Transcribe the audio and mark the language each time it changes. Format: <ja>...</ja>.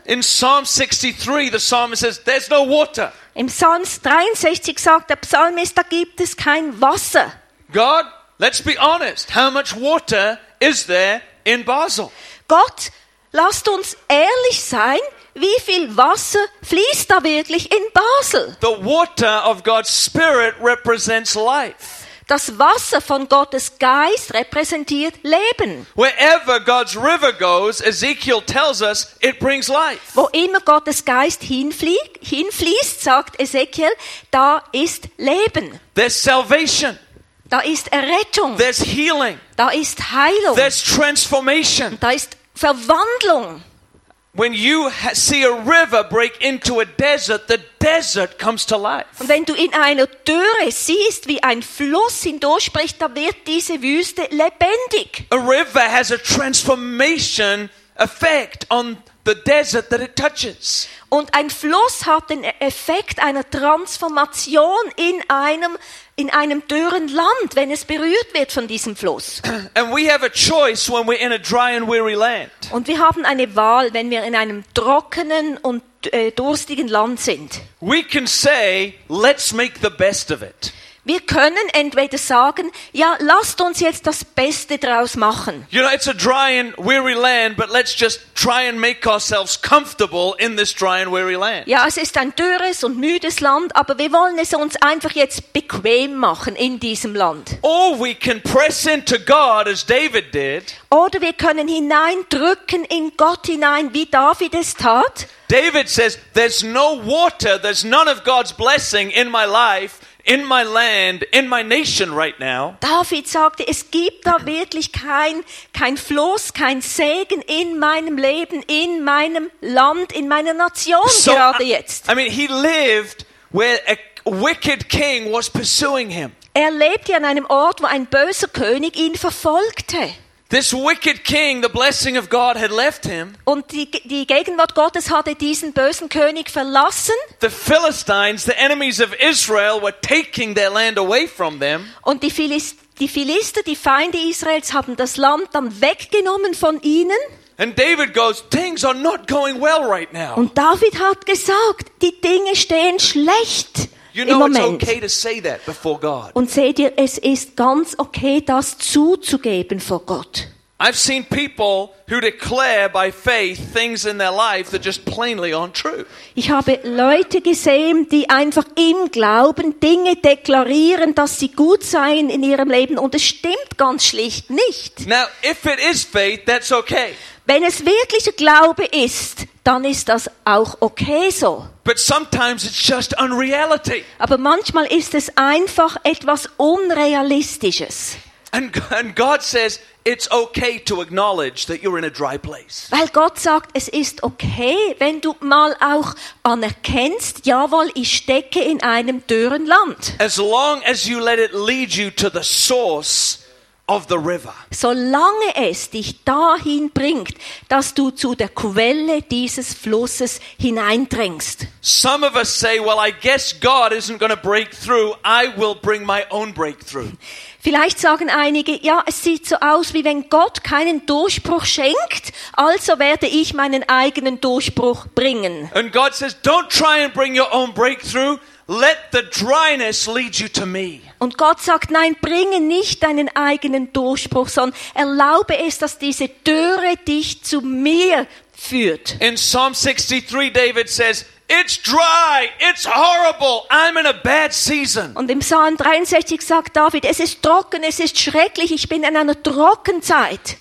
<en>In Psalm 63, the psalmist says, there's no water.</en> <de>Im Psalm 63 sagt der Psalmist, da gibt es kein Wasser.</de> <en>God, let's be honest, how much water is there in Basel?</en> <de>Gott, lasst uns ehrlich sein, wie viel Wasser fließt da wirklich in Basel?</de> <en>The water of God's Spirit represents life.</en> <de>Das Wasser von Gottes Geist repräsentiert Leben.</de> <en>Wherever God's river goes, Ezekiel tells us, it brings life.</en> <de>Wo immer Gottes Geist hinfließt, sagt Ezekiel, da ist Leben.</de> <en>There's salvation.</en> <de>Da ist Errettung.</de> <en>There's healing.</en> <de>Da ist Heilung.</de> <en>There's transformation.</en> <de>Da ist Verwandlung.</de> <en>When you see a river break into a desert, the desert comes to life.</en> <de>Und wenn du in einer Dürre siehst, wie ein Fluss hindurchspricht, da wird diese Wüste lebendig.</de> <en>A river has a transformation effect on the desert that it touches.</en> <de>Und ein Fluss hat den Effekt einer Transformation in einem dürren Land, wenn es berührt wird von diesem Fluss.</de> <en>And we have a choice when we're in a dry and weary land.</en> <de>Und wir haben eine Wahl, wenn wir in einem trockenen und durstigen Land sind.</de> <en>We can say, let's make the best of it.</en> <de>Wir können entweder sagen, ja, lasst uns jetzt das Beste draus machen.</de> <en>You know, it's a dry and weary land, but let's just try and make ourselves comfortable in this dry and weary land.</en> <de>Ja, es ist ein dürres und müdes Land, aber wir wollen es uns einfach jetzt bequem machen in diesem Land.</de> <en>Or we can press into God as David did.</en> <de>Oder wir können hineindrücken in Gott hinein, wie David es tat.</de> <en>David says, there's no water, there's none of God's blessing in my life. In my land, in my nation right now.</en> <de>David sagte, es gibt da wirklich kein Fluss, kein Segen in meinem Leben, in meinem Land, in meiner Nation so, gerade jetzt.</de> <en>I mean, he lived where a wicked king was pursuing him.</en> <de>Er lebte an einem Ort, wo ein böser König ihn verfolgte.</de> <en>This wicked king, the blessing of God had left him.</en> <de>Und die Gegenwart Gottes hatte diesen bösen König verlassen.</de> <en>The Philistines, the enemies of Israel, were taking their land away from them.</en> <de>Und die Philister, die Feinde Israels, haben das Land dann weggenommen von ihnen.</de> <en>And David goes, things are not going well right now.</en> <de>Und David hat gesagt, die Dinge stehen schlecht.</de> <en>You know it's okay to say that before God.</en> <de>Und seht ihr, es ist ganz okay, das zuzugeben vor Gott.</de> <en>I've seen people who declare by faith things in their life that just plainly aren't true.</en> <de>Ich habe Leute gesehen, die einfach im Glauben Dinge deklarieren, dass sie gut seien in ihrem Leben, und es stimmt ganz schlicht nicht.</de> <en>Now, if it is faith, that's okay.</en> <de>Wenn es wirklicher Glaube ist, dann ist das auch okay so.</de> <en>But sometimes it's just unreality.</en> <de>Aber manchmal ist es einfach etwas Unrealistisches.</de> <en>And God says it's okay to acknowledge that you're in a dry place.</en> <de>Weil Gott sagt, es ist okay, wenn du mal auch anerkennst, jawohl, ich stecke in einem dürren Land.</de> <en>As long as you let it lead you to the source of the river.</en> <de>Solange es dich dahin bringt, dass du zu der Quelle dieses Flusses hineindringst.</de> <en>Some of us say, well, I guess God isn't going to break through. I will bring my own breakthrough.</en> <de>Vielleicht sagen einige, ja, es sieht so aus, wie wenn Gott keinen Durchbruch schenkt, also werde ich meinen eigenen Durchbruch bringen.</de> <en>And God says, don't try and bring your own breakthrough. Let the dryness lead you to me.</en> <de>Und Gott sagt, nein, bringe nicht deinen eigenen Durchbruch, sondern erlaube es, dass diese Dürre dich zu mir führt.</de> <en>In Psalm 63 David says, it's dry, it's horrible, I'm in a bad season.</en> <de>Und im Psalm 63 sagt David, es ist trocken, es ist schrecklich, ich bin in einer Trockenzeit.</de>